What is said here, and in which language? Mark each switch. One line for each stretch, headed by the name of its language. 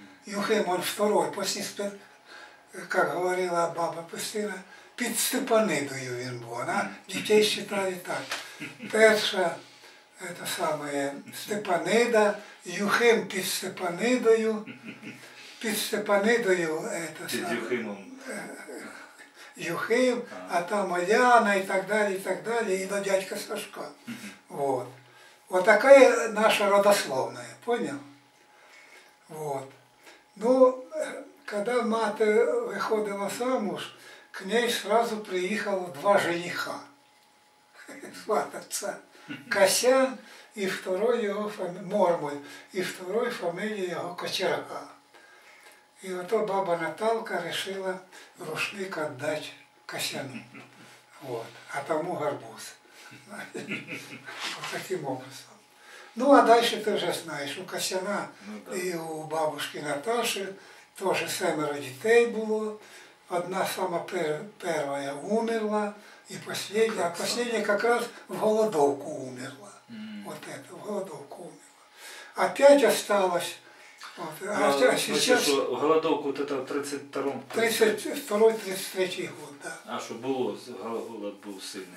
Russian: Юхим, он второй, после, как говорила баба Пестина, под Степанидою он был, она детей считали так. Перша, это самое, Степанида, Юхим под Степанидою, это самое.
Ukrainian: Юхим, а там Оляна і так далі, і до дядька Сашка.
Russian: Вот.
Ukrainian: Вот така наша родословна, поняв? Вот. Ну, коли мати виходила замуж,
Russian: к ней сразу
Ukrainian: приїхало два жениха. Свататься. Косян і второй його фамилия, Мормоль, і второй фамилия його Кочерга. І ото баба Наталка вирішила рушник віддати Косяну, вот. А тому гарбуз. Таким образом. Ну а далі ти вже знаєш, у Косяна і у бабушки Наташи теж семеро дітей було. Одна сама перша умерла,
Russian: И последняя, а последняя как раз в голодовку умерла. Вот это, в голодовку умерла. Опять осталось. Вот. А сейчас... Голодовку вот это в 32-м? 32-33 год, да. А что было, голод был сильный?